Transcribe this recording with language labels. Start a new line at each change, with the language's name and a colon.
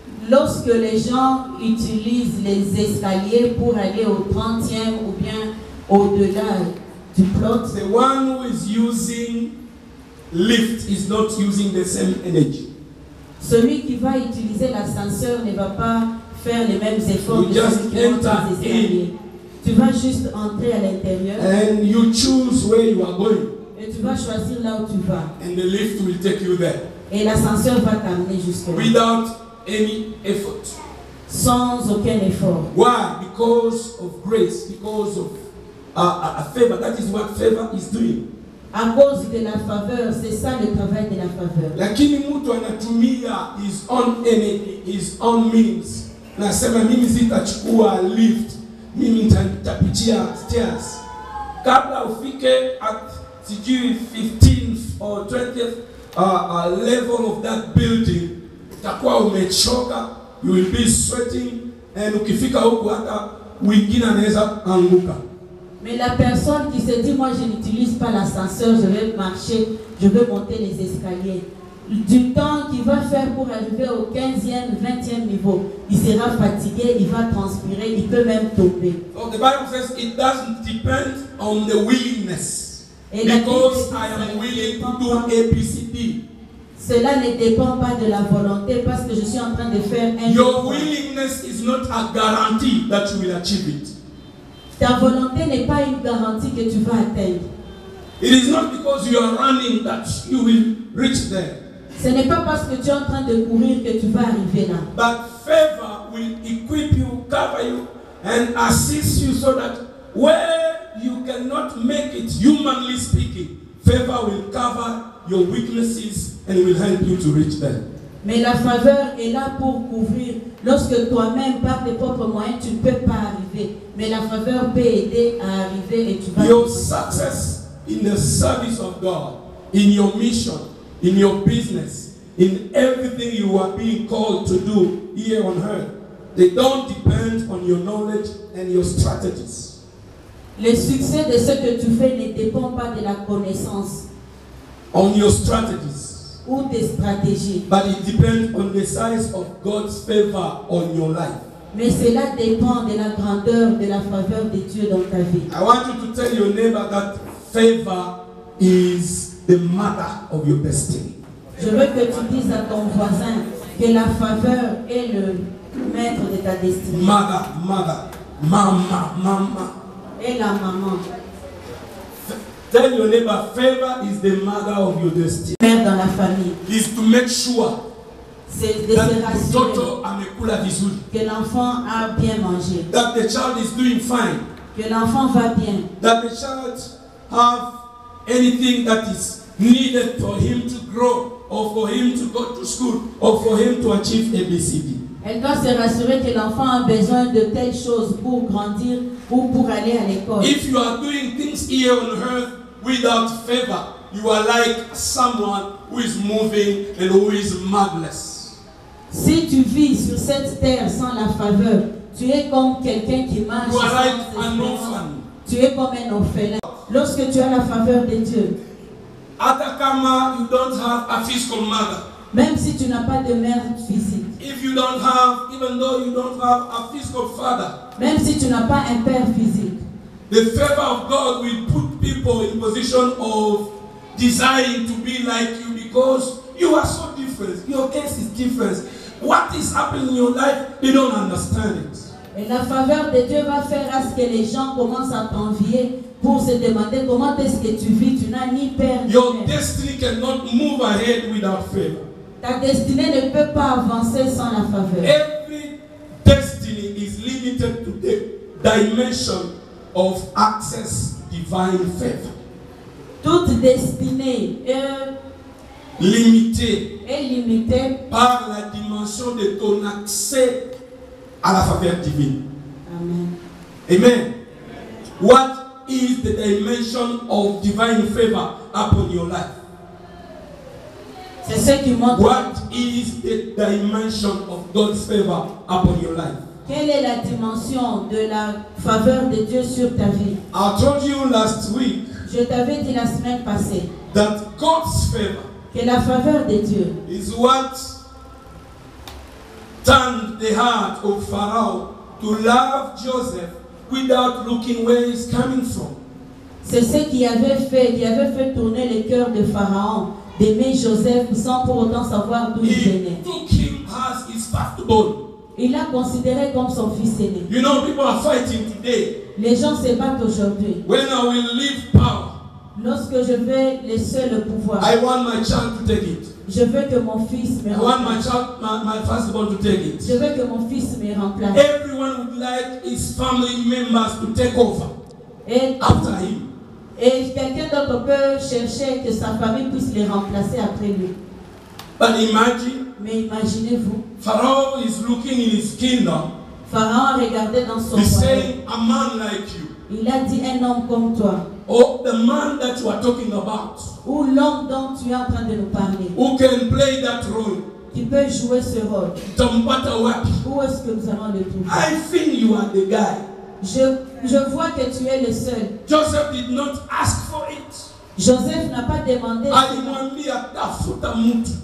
French: Lorsque les gens utilisent les escaliers pour aller au 30e ou bien au-delà du plot,
English: the one who is using lift is not using the same energy.
French: Celui qui va utiliser l'ascenseur ne va pas faire les mêmes efforts.
English: You just enter in.
French: Tu vas juste entrer à l'intérieur.
English: And you choose where you are going.
French: Et tu vas choisir là où tu vas.
English: And the lift will take you there.
French: Et l'ascenseur va t'amener jusqu'au.
English: Without any effort.
French: Sans aucun effort.
English: Why? Because of grace. Because of a favor. That is what favor is doing.
French: À cause de la faveur, c'est ça le travail de la faveur.
Swahili: Lakini mtu anatumia
English: his own energy, his own means.
Swahili: Nasema mimi zitachukua lift, mimi nitapitia stairs. Kabla ufike at sijui
English: 15th or 20th level of that building,
Swahili: utakuwa umechoka,
English: you will be sweating,
Swahili: and ukifika huku hata wengine anaweza anguka.
French: Mais la personne qui se dit, moi je n'utilise pas l'ascenseur, je vais marcher, je vais monter les escaliers. Du temps qu'il va faire pour arriver au 15e, 20e niveau, il sera fatigué, il va transpirer, il peut même tomber.
English: So the Bible says it doesn't depend on the willingness. Et because I am willing to do ABCD.
French: Cela ne dépend pas de la volonté parce que je suis en train de faire un.
English: Your willingness is not a guarantee that you will achieve it.
French: Ta volonté n'est pas une garantie que tu vas atteindre.
English: It is not because you are running that you will reach there.
French: Ce n'est pas parce que tu es en train de courir que tu vas arriver là.
English: But favor will equip you, cover you, and assist you so that where you cannot make it, humanly speaking, favor will cover your weaknesses and will help you to reach there.
French: Mais la faveur est là pour couvrir. Lorsque toi-même, par tes propres moyens, tu ne peux pas arriver. Mais la faveur peut aider à arriver et tu vas.
English: Your success in the service of God, in your mission, in your business, in everything you are being called to do here on earth, they don't depend on your knowledge and your strategies.
French: Le succès de ce que tu fais ne dépend pas de la connaissance.
English: On your strategies.
French: Ou des stratégies.
English: But it depends on the size of God's favor on your life.
French: Mais cela dépend de la grandeur de la faveur de Dieu dans ta vie.
English: I want you to tell your neighbor that favor is the matter of your destiny.
French: Je veux que tu dises à ton voisin que la faveur est le maître de ta destinée.
English: Mother, mother, mama, mama.
French: Et la maman.
English: Tell your neighbor, favor is the mother of your destiny.
French: Mère dans la famille.
English: Is to make sure.
French: C'est de se rassurer que l'enfant a bien mangé.
English: That the child is doing fine.
French: Que l'enfant va bien.
English: That the child have anything that is needed for him to grow. Or for him to go to school, or for him to achieve ABCD.
French: Elle doit se rassurer que l'enfant a besoin de telles choses pour grandir ou pour aller à l'école.
English: If you are doing things here on earth without favor, you are like someone who is moving and who is madness.
French: Si tu vis sur cette terre sans la faveur, tu es comme quelqu'un qui marche.
English: You are like an orphan.
French: Tu es comme un orphelin. Lorsque tu as la faveur de Dieu.
Swahili: Atakama,
English: you don't have a physical mother.
French: Même si tu n'as pas de mère physique.
English: If you don't have, even though you don't have a physical father.
French: Même si tu n'as pas un père physique.
English: The favor of God will put people in position of desiring to be like you because you are so different. Your case is different. What is happening in your life, they don't understand it.
French: Et la faveur de Dieu va faire à ce que les gens commencent à t'envier. Pour se demander comment est-ce que tu vis, tu n'as ni père.
English: Your destiny cannot move ahead without favor.
French: Ta destinée ne peut pas avancer sans la faveur.
English: Every destiny is limited to the dimension of access divine favor.
French: Toute destinée est limitée par la dimension de ton accès à la faveur divine. Amen. Amen.
English: What is the dimension of divine favor upon your life?
French: C'est ce qui montre.
English: What is the dimension of God's favor upon your life?
French: Quelle est la dimension de la faveur de Dieu sur ta vie?
English: I told you last week.
French: Je t'avais dit la semaine passée.
English: That God's favor.
French: Que la faveur de Dieu.
English: Is what turned the heart of Pharaoh to love Joseph. Without looking where he's coming from.
French: C'est ce qui avait fait tourner le cœur de Pharaon d'aimer Joseph sans pour autant savoir d'où il venait.
English: He took him as his firstborn.
French: Il l'a considéré comme son fils aîné.
English: You know, people are fighting today.
French: Les gens se battent aujourd'hui.
English: When I will leave power.
French: Lorsque je vais laisser le pouvoir.
English: I want my child to take it.
French: Je veux que mon fils me remplace.
English: I want my child, my firstborn to take it.
French: Je veux que mon fils me remplace.
English: Everyone would like his family members to take over.
French: Et
English: after him.
French: Et quelqu'un d'autre peut chercher que sa famille puisse les remplacer après lui.
English: But imagine.
French: Mais imaginez-vous.
English: Pharaoh is looking in his kingdom.
French: Pharaoh regardait dans son royaume.
English: He's saying, a man like you.
French: Il a dit un homme comme toi.
English: Oh, the man that you are talking about.
French: Ou l'homme dont tu es en train de nous parler.
English: Who can play that role?
French: Qui peut jouer ce rôle?
Swahili: Tombata wapi?
French: Où est-ce que nous allons le trouver?
English: I think you are the guy.
French: Je vois que tu es le seul.
English: Joseph did not ask for it.
French: Joseph n'a pas demandé.
English: I want me at the foot of mutu.